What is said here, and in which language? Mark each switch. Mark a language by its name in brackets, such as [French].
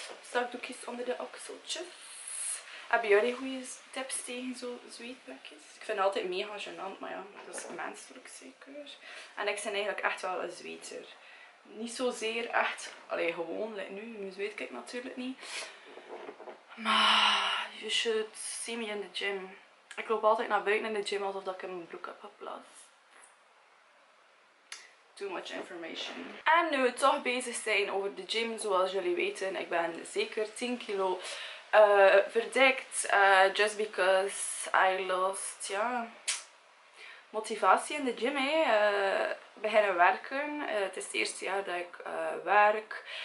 [Dutch] Stak doekjes onder de okseltjes. Hebben jullie goede tips tegen zo'n zweetplekjes? Ik vind het altijd mega gênant, maar ja, dat is menselijk zeker. En ik ben eigenlijk echt wel een zweeter. Niet zozeer echt, alleen gewoon, like nu. Nu zweet ik natuurlijk niet. Maar [English] you should see me in the gym. [Dutch] Ik loop altijd naar buiten in de gym alsof ik in mijn broek heb geplaatst. [English] Too much information. [Dutch] En nu we toch bezig zijn over de gym, zoals jullie weten, ik ben zeker 10 kilo... verdikt, [English] just because I lost, [Dutch] ja, motivatie in de gym, hè. Beginnen werken. Het is het eerste jaar dat ik werk